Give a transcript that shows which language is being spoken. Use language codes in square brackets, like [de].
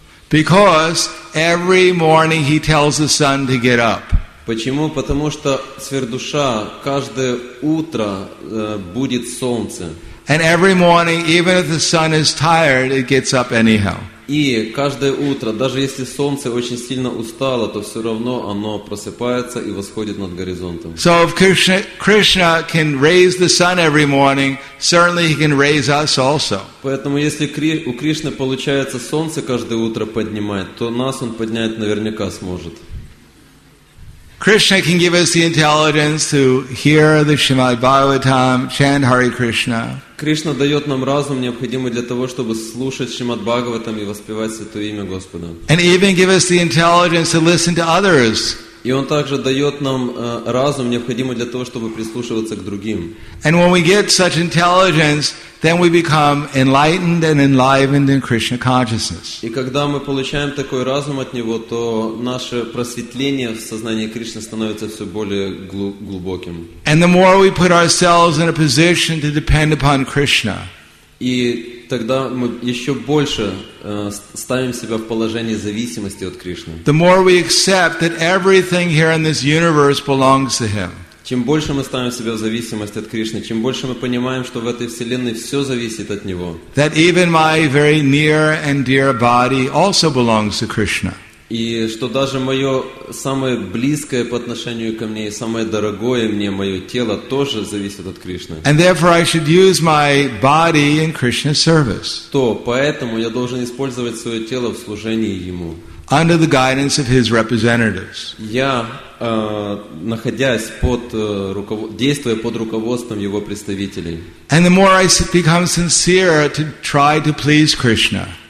[en] Because every morning he tells the sun to get up. [ru] Почему? Потому что сверхдуша каждое утро будет солнце. [en] And every morning, even if the sun is tired, it gets up anyhow. [ru] И каждое утро, даже если солнце очень сильно устало, то все равно оно просыпается и восходит над горизонтом. [en] So if Krishna can raise the sun every morning, certainly he can raise us also. [ru] Поэтому если у Кришны получается солнце каждое утро поднимать, то нас он поднять наверняка сможет. [en] Krishna can give us the intelligence to hear the Srimad Bhagavatam, chant Hare Krishna. [ru] Кришна дает нам разум, необходимый для того, чтобы слушать Шримад Бхагаватам и воспевать Святое Имя Господа. [en] And even give us the intelligence to listen to others. [ru] И Он также дает нам разум, необходимый для того, чтобы прислушиваться к другим. [en] And when we get such intelligence, then we become enlightened and enlivened in Krishna consciousness. [ru] И когда мы получаем такой разум от Него, то наше просветление в сознании Кришны становится все более глубоким. [en] And the more we put ourselves in a position to depend upon Krishna, [ru] и тогда мы еще больше ставим себя в положение зависимости от Кришны. [en] The more we accept that everything here in this universe belongs to Him. [ru] Чем больше мы ставим себя в зависимость от Кришны, чем больше мы понимаем, что в этой вселенной все зависит от Него. [en] That even my very near and dear body also belongs to Krishna. [ru] И что даже мое самое близкое по отношению ко мне и самое дорогое мне мое тело тоже зависит от Кришны. [en] And therefore I should use my body in Krishna's service. [ru] То поэтому я должен использовать свое тело в служении Ему. [en] Under the guidance of His representatives. [ru] Я находясь под действуя под руководством Его представителей. [en] And the more I become sincere to try to please Krishna.